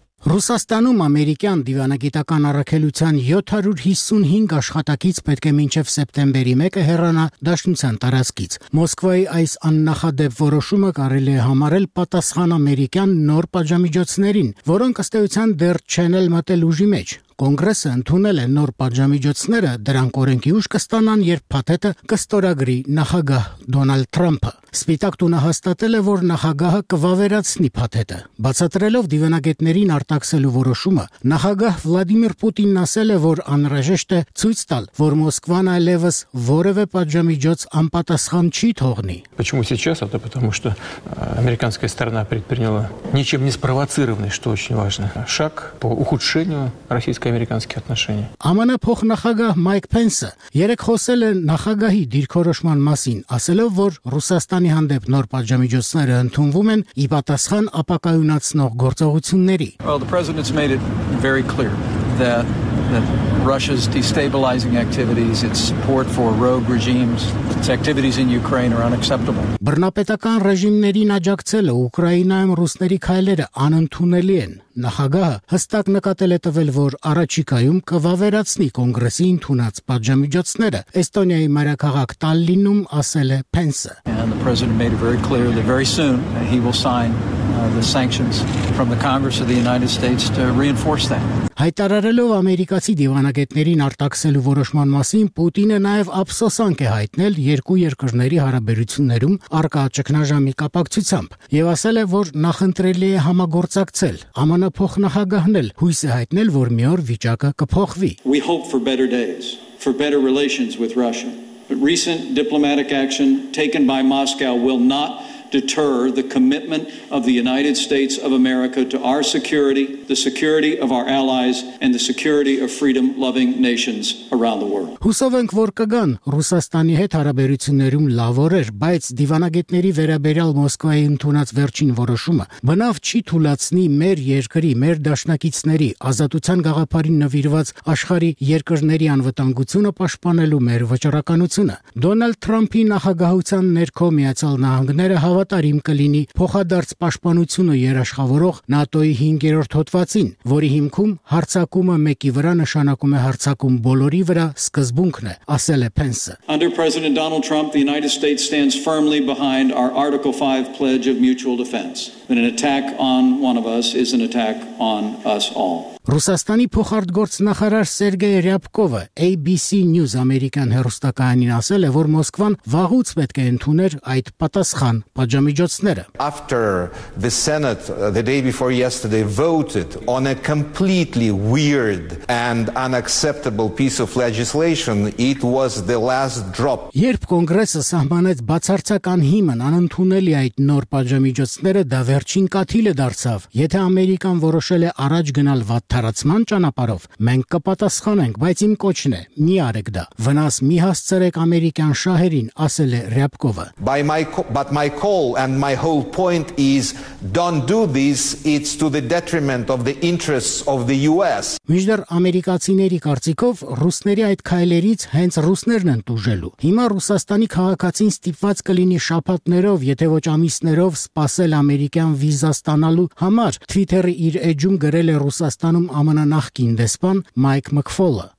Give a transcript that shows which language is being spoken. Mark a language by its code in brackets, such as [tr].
[hy] Ռուսաստանում ամերիկյան դիվանագիտական առաքելության 755 աշխատակից պետք է մինչև սեպտեմբերի 1-ը հեռանա դաշնության տարածքից։ Մոսկվայի այս աննախադեպ որոշումը կարելի է համարել պատասխան ամերիկյան նոր պատժամիջոցներին, որոնք ըստ էության դեռ չեն էլ մտել ուժի մեջ։ Կոնգրեսը ընդունել է նոր պատժամիջոցները, դրանք օրենքի ուժ կստանան, երբ փաթեթը կստորագրի նախագահ Դոնալդ Թրամփը։ Սպիտակ տունը հաստատել է, որ նախագահը կվավերացնի փաթեթը։ Բացատրելով դիվանագետներին արտաքսելու որոշումը, նախագահ Վլադիմիր Պուտինն ասել է, որ անհրաժեշտ է ցույց տալ, որ Մոսկվան այլևս որևէ պատժամիջոց անպատասխան չի թողնի։ [ru] Почему сейчас? Это потому что американская сторона предприняла ничем не спровоцированный, что очень важно, шаг по ухудшению российско-американских отношений. [hy] ԱՄՆ փոխնախագահ Մայք Փենսը երեք խոսել է նախագահի դիրքորոշման մասին, ասելով, որ Ռուսաստանի հանդեպ նոր պատժամիջոցները ընդունվում են ի պատասխան ապակայունացնող գործողությունների. [en] Well, the president's made it very clear that Russia's destabilizing activities, its support for rogue regimes, its activities in Ukraine are unacceptable. [hy] Բռնապետական ռեժիմներին աջակցելը Ուկրաինայում ռուսների քայլերը անընդունելի են։ Նախագահը հստակ նկատել է տվել, որ առաջիկայում կվավերացնի կոնգրեսի ընդունած պատժամիջոցները։ Էստոնիայի մայրաքաղաք Տալլինում ասել է Փենսը. [en] And the president made it very clear that very soon he will sign the sanctions from the Congress of the United States to reinforce that. [hy] Հայտարարելով ամերիկացի դիվանագետներին արտաքսելու որոշման մասին, Պուտինը նաև ափսոսանք է հայտնել երկու երկրների հարաբերություններում առկա ճգնաժամի կապակցությամբ եւ ասել է, որ նախընտրելի է համագործակցել։ ԱՄՆ փոխնախագահն էլ հույս է հայտնել, որ մի օր վիճակը կփոխվի։ [en] We hope for better days, for better relations with Russia. But recent diplomatic action taken by Moscow will not deter the commitment of the United States of America to our security, the security of our allies, and the security of freedom-loving nations around the world. [hy] Հուսով ենք, որ կգան Ռուսաստանի հետ հարաբերություններում լավ օրեր, բայց դիվանագետների վերաբերյալ Մոսկվայի ընդունած վերջին որոշումը բնավ չի թուլացնի մեր երկրի, մեր դաշնակիցների, ազատության գաղափարին նվիրված աշխարհի երկրների անվտանգությունը պաշտպանելու մեր վճռականությունը։ Դոնալդ Թրամփի նախագահության ներքո Միացյալ Նահանգները հավատարիմ կլինի փոխադարձ պաշտպանությունը երաշխավորող ՆԱՏՕ-ի 5-րդ հոդվածին, որի հիմքում հարձակումը մեկի վրա նշանակում է հարձակում բոլորի վրա, սկզբունքն է, ասել է Փենսը։ [en] Under President Donald Trump, the United States stands firmly behind our Article 5 pledge of mutual defense. That an attack on one of us is an attack on us all. [hy] Ռուսաստանի փոխարտգործնախարար Սերգեյ Ռյապկովը ABC News ամերիկյան հեռուստակայանին ասել է, որ Մոսկվան վաղուց պետք է ընդուներ այդ պատասխան պատժամիջոցները։ [en] After the Senate the day before yesterday voted on a completely weird and unacceptable piece of legislation, it was the last drop. [hy] Երբ կոնգրեսը սահմանեց բացարձական հիմն անընդունելի այդ նոր պատժամիջոցները, դա վերջին կաթիլը դարձավ։ Եթե ամերիկան որոշել է առաջ գնալ տարածման ճանապարով, մենք կպատասխանենք, բայց իմ կոչն է՝ մի արեք դա, վնաս մի հասցրեք ամերիկյան շահերին, ասել է Ռյապկովը։ [en] But my call and my whole point is don't do this, it's to the detriment of the interests of the US. [hy] Միջդեռ ամերիկացիների կարծիքով ռուսների այդ քայլերից հենց ռուսներն են տուժելու։ Հիմա ռուսաստանի քաղաքացին ստիպված կլինի շաբաթներով, եթե ոչ ամիսներով, սпасել ամերիկյան վիզա ստանալու համար։ Twitter-ը իր էջում գրել է ռուսաստանի տանում ԱՄՆ նախկին դեսպան Մայք Մքֆոլը։